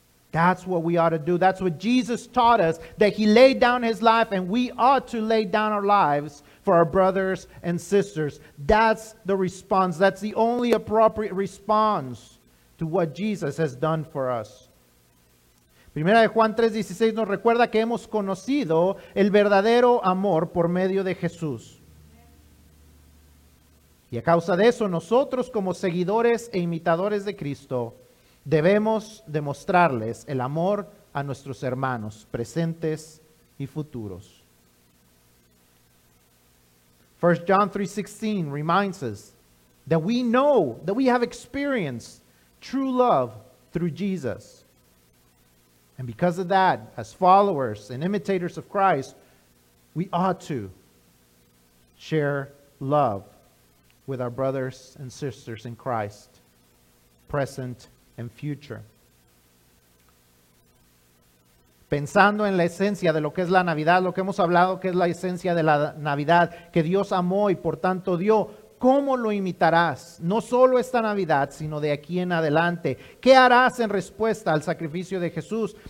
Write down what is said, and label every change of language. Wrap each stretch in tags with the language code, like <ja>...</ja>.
<en>That's what we ought to do. That's what Jesus taught us, that he laid down his life and we ought to lay down our lives for our brothers and sisters. That's the response. That's the only appropriate response to what Jesus has done for us.</en> <es>Primera de Juan 3:16 nos recuerda que hemos conocido el verdadero amor por medio de Jesús. Y a causa de eso, nosotros como seguidores e imitadores de Cristo, debemos demostrarles el amor a nuestros hermanos presentes y futuros.</es> <en>1 John 3:16 reminds us that we know, that we have experienced true love through Jesus. And because of that, as followers and imitators of Christ, we ought to share love with our brothers and sisters in Christ, present and future.</en> <es>Pensando en la esencia de lo que es la Navidad, lo que hemos hablado que es la esencia de la Navidad, que Dios amó y por tanto dio, ¿cómo lo imitarás? No solo esta Navidad, sino de aquí en adelante. ¿Qué harás en respuesta al sacrificio de Jesús?</es>